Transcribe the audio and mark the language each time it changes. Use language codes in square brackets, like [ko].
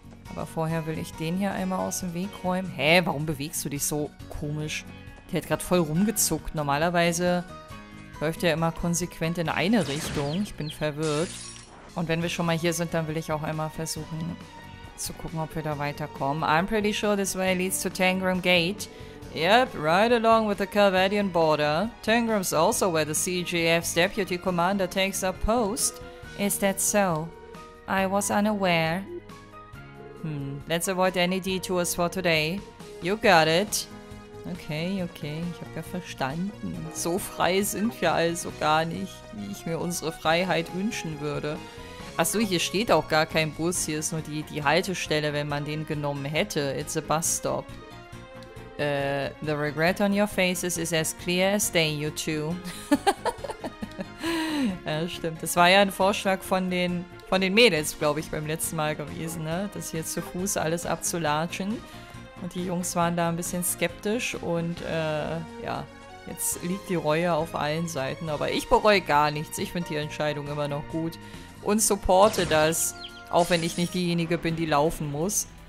[de] Aber vorher will ich den hier einmal aus dem Weg räumen. Hä, warum bewegst du dich so komisch? Der hat gerade voll rumgezuckt. Normalerweise läuft der immer konsequent in eine Richtung. Ich bin verwirrt. Und wenn wir schon mal hier sind, dann will ich auch einmal versuchen zu gucken, ob wir da weiterkommen. [en] I'm pretty sure this way leads to Tangram Gate. Yep, right along with the Calvadian border. Tangram's also where the CGF's deputy commander takes up post. Is that so? I was unaware. Hmm, let's avoid any detours for today. You got it. [de] Okay, ich habe ja verstanden. So frei sind wir also gar nicht, wie ich mir unsere Freiheit wünschen würde. Achso, hier steht auch gar kein Bus. Hier ist nur die Haltestelle, wenn man den genommen hätte. [en] It's a bus stop. The regret on your faces is as clear as day, you two. [de] Ja, stimmt. Das war ja ein Vorschlag von den Mädels, glaube ich, beim letzten Mal gewesen, ne? Das hier zu Fuß alles abzulatschen. Und die Jungs waren da ein bisschen skeptisch und ja, jetzt liegt die Reue auf allen Seiten. Aber ich bereue gar nichts. Ich finde die Entscheidung immer noch gut und supporte das, auch wenn ich nicht diejenige bin, die laufen muss.